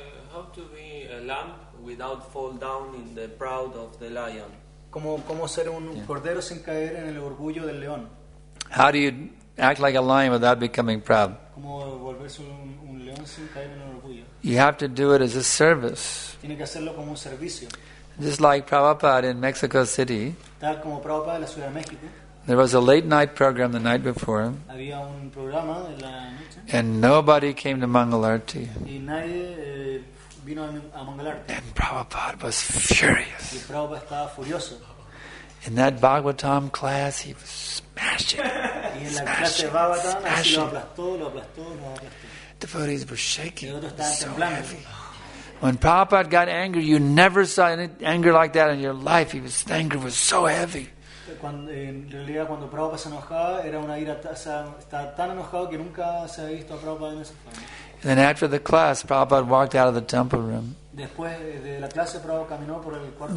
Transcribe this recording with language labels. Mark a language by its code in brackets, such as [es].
[en] How to be a lamb without fall down in the pride of the lion? [es] ¿Cómo ser un cordero sin caer en el orgullo del león? [en] How do you act like a lion without becoming proud? [es] ¿Cómo volverse un león sin caer en el orgullo? [en] You have to do it as a service. [es] Tiene que hacerlo como un servicio. [en] Just like Prabhupada in Mexico City. [es] Tal como Prabhupada en la Ciudad de México. [en] There was a late night program the night before. [es] Había un programa de la noche. [en] And nobody came to Mangalarti. [es] Y nadie vino a Mangalarti. [en] And Prabhupada was furious. [es] Y Prabhupada estaba furioso. [en] In that Bhagavatam class, he was smashing. [es] Y en la clase de Bhagavatam, lo aplastó. [en] Devotees were shaking. [es] Y otros estaban temblando. [en] So heavy. When Prabhupada got angry, you never saw any anger like that in your life. His anger was so heavy. [es] En realidad cuando Prabhupada se enojaba era una ira, o sea, estaba tan enojado que nunca se había visto a Prabhupada en esa forma. [en] And then after the class, Prabhupada walked out of the temple room. [es] Después de la clase, Prabhupada caminó por el cuarto.